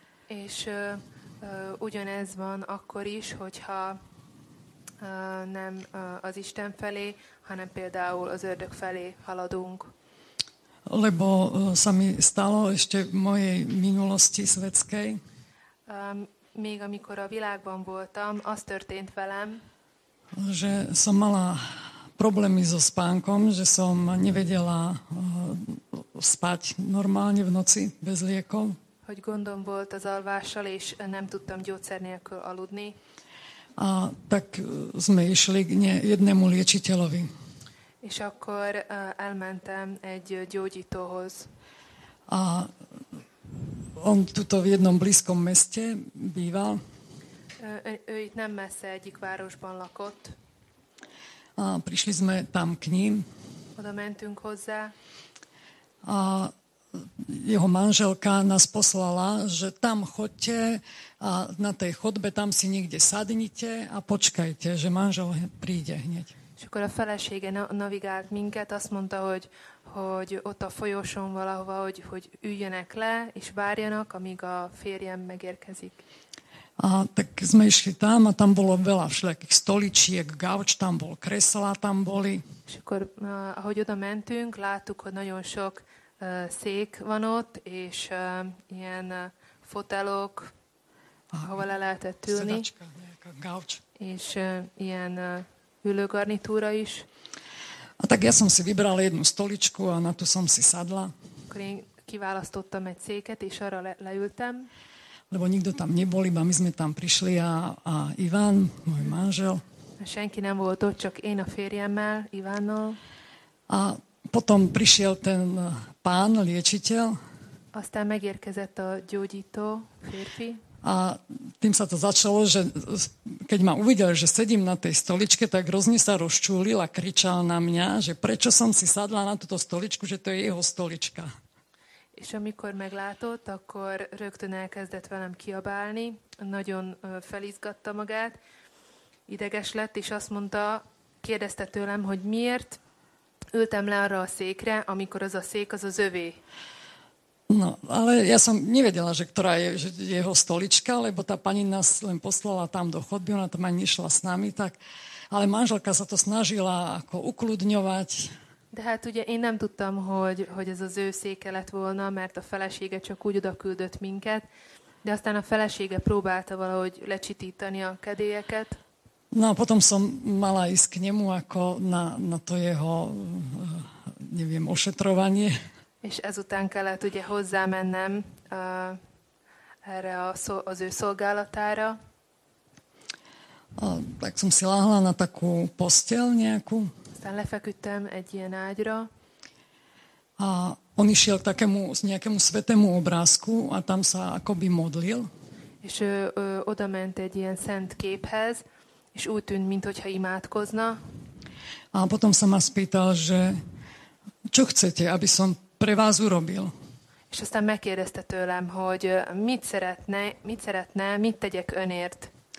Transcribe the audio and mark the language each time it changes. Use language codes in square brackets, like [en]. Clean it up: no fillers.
[hu] És ugyanez van akkor is, hogyha nem az Isten felé, hanem például az ördög felé haladunk. [sk] Lebo sa mi stalo ešte v mojej minulosti svetskej. [hu] Még amikor a világban voltam, az történt velem, [sk] že som mala problémy so spánkom, že som nevedela spať normálne v noci bez liekov. [hu] Hogy gondom volt az alvással, és nem tudtam gyógyszer nélkül aludni. [sk] A tak sme išli k jednému liečiteľovi. [hu] És akkor elmentem egy gyógyítóhoz. [sk] A on tuto v jednom blízkom meste býval. [hu] Ő itt nem messze egyik városban lakott. [sk] A prišli sme tam k ním. [hu] Oda mentünk hozzá. [sk] A jeho manželka nás poslala, že tam choďte a na tej chodbe tam si niekde sadnite a počkajte, že manžel príde hneď. [hu] És akkor a felesége navigált minket, azt mondta, hogy ott a folyosón valahova, hogy üljenek le és várjanak, amíg a férjem megérkezik. [sk] A tak sme išli tam a tam bolo veľa všelijakých stoličiek, gauč tam bol, kreslá tam boli. [hu] És akkor, ahogy oda mentünk, láttuk, hogy nagyon sok szék van ott, és ilyen fotelok, ahova le lehetett ülni. [sk] Sedačka, nejaká gauč. [hu] És ilyen ülő garnitúra is. [sk] A tak ja som si vybrala jednu stoličku a na tú som si sadla. [hu] Kiválasztottam egy széket és arra leültem. [sk] Lebo nikto tam nebol, iba my sme tam prišli a Iván, môj manžel. [hu] Senki nem volt ott, csak én a férjemmel, Ivánnal. [sk] A potom prišiel ten pán, liečiteľ. [hu] Aztán megérkezett a gyógyító férfi. [sk] A tým sa to začalo, že keď ma uvidel, že sedím na tej stoličke, tak hrozne sa rozčúlil a kričal na mňa, že prečo som si sadla na túto stoličku, že to je jeho stolička. [hu] És amikor meglátott, akkor rögtön elkezdett velem kiabálni, nagyon felizgatta magát, ideges lett, és azt mondta, kérdezte tőlem, hogy miért ültem le arra a székre, amikor az a szék az az övé. [sk] No, ale ja som nevedela, že ktorá je že jeho stolička, lebo tá pani nás len poslala tam do chodby, ona tam ani nešla s nami, tak, ale manželka sa to snažila ako ukludňovať. [hu] De hát ugye én nem tudtam, hogy ez az ő széke lett volna, mert a felesége csak úgy oda küldött minket, de aztán a felesége próbálta valahogy lecsitítani a kedélyeket. [sk] No a potom som mala ísť k nemu ako na to jeho, neviem, ošetrovanie. [hu] És ezután kellett ugye hozzámennem erre az ő szolgálatára. [sk] A, tak som si láhla na takú posteľ nejakú. [hu] Aztán lefeküdtem egy ilyen ágyra. [sk] A on išiel k takému, nejakému svetému obrázku a tam sa akoby modlil. [hu] És odament egy ilyen szent képhez, és úgy tűnt, mintha imádkozna. [sk] A potom sa ma spýtal, že čo chcete, aby som pre vás urobil? [hu] És aztán megkérdezte tőlem, hogy mit szeretne, mit tegyek önért?